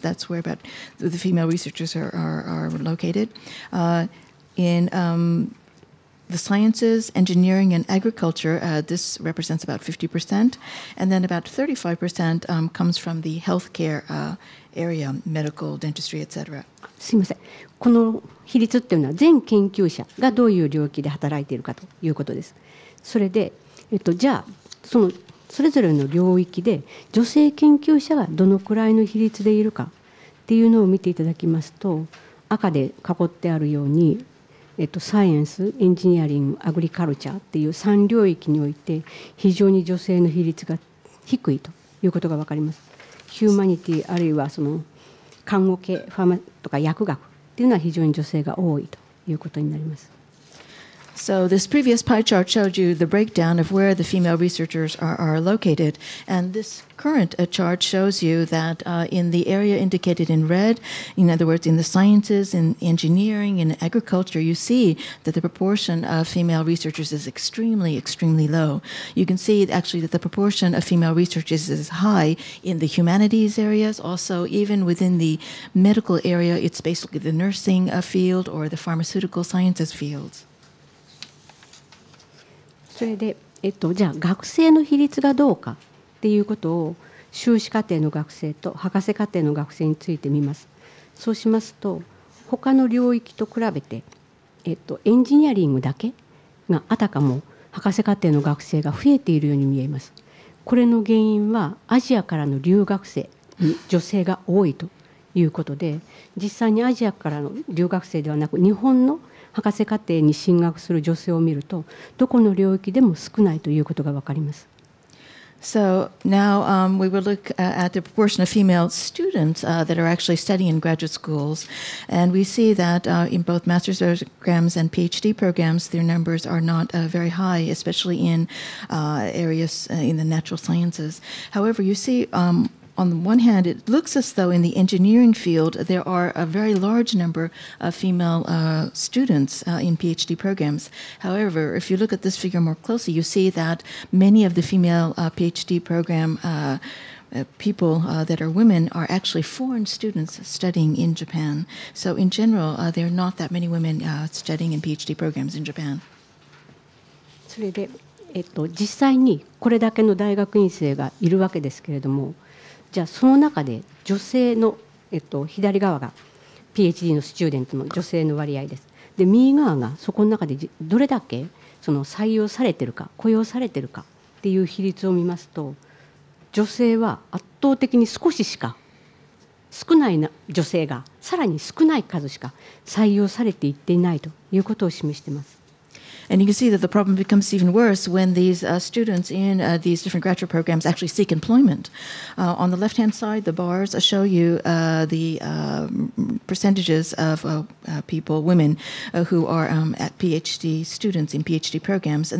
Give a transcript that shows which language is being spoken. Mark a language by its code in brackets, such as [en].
[en] That's where about the female researchers are located. In the sciences, engineering, and agriculture, this represents about 50%. And then about 35% comes from the healthcare area, medical, dentistry, etc. [ja] すみません。この比率っていうのは全研究者がどういう領域で働いているかということです。それで、じゃあそのそれぞれの領域で女性研究者がどのくらいの比率でいるかっていうのを見ていただきますと、赤で囲ってあるように、サイエンス、エンジニアリング、アグリカルチャーっていう3領域において非常に女性の比率が低いということが分かります。ヒューマニティあるいはその看護系、ファーマとか薬学っていうのは非常に女性が多いということになります。 [en] So this previous pie chart showed you the breakdown of where the female researchers are located. And this current chart shows you that in the area indicated in red, in other words, in the sciences, in engineering, in agriculture, you see that the proportion of female researchers is extremely, extremely low. You can see actually that the proportion of female researchers is high in the humanities areas. Also, even within the medical area, it's basically the nursing field or the pharmaceutical sciences fields. [ja] それで、じゃあ学生の比率がどうかっていうことを修士課程の学生と博士課程の学生について見ます。そうしますと他の領域と比べて、エンジニアリングだけがあたかも博士課程の学生が増えているように見えます。これの原因はアジアからの留学生に女性が多いということで、実際にアジアからの留学生ではなく日本の博士課程に進学する女性を見ると、どこの領域でも少ないということがわかります。 [en] So now we will look at the proportion of female students that are actually studying in graduate schools. And we see that in both master's programs and PhD programs, their numbers are not very high, especially in areas in the natural sciences. However, you see... On the one hand, it looks as though in the engineering field, there are a very large number of female students in PhD programs. However, if you look at this figure more closely, you see that many of the female PhD program people that are women are actually foreign students studying in Japan. So in general, there are not that many women studying in PhD programs in Japan. [ja] それで、実際にこれだけの大学院生がいるわけですけれども、じゃあその中で女性の、左側が PhD のスチューデントの女性の割合です。で右側がそこの中でどれだけその採用されてるか雇用されてるかっていう比率を見ますと、女性は圧倒的に少ししか少ないな女性がさらに少ない数しか採用されていっていないということを示しています。 [en] And you can see that the problem becomes even worse when these students in these different graduate programs actually seek employment. On the left-hand side, the bars show you the percentages of people, women, who are at PhD students in PhD programs.